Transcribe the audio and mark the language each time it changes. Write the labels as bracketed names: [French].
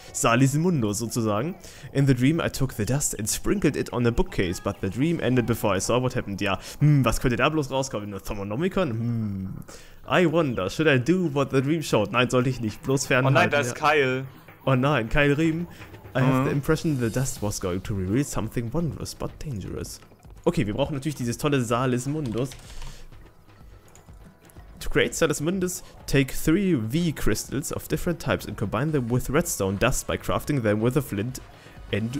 [English] Salis Mundo, sozusagen. In the dream I took the dust and sprinkled it on a bookcase, but the dream ended before I saw what happened. [German] Ja, was könnte da bloß rauskommen? In der Thermonomicon? [English] I wonder, should I do what the dream showed? [German] Nein, sollte ich nicht. Bloß fernhalten. Oh nein, da ist Kyle. Oh nein, Kyle Riem. [English] I have the impression the dust was going to reveal something wondrous, but dangerous. [German] Okay, wir brauchen natürlich dieses tolle Salis Mundus. [English] To create Salis Mundus, take 3 V-Crystals of different types and combine them with redstone dust by crafting them with a flint and a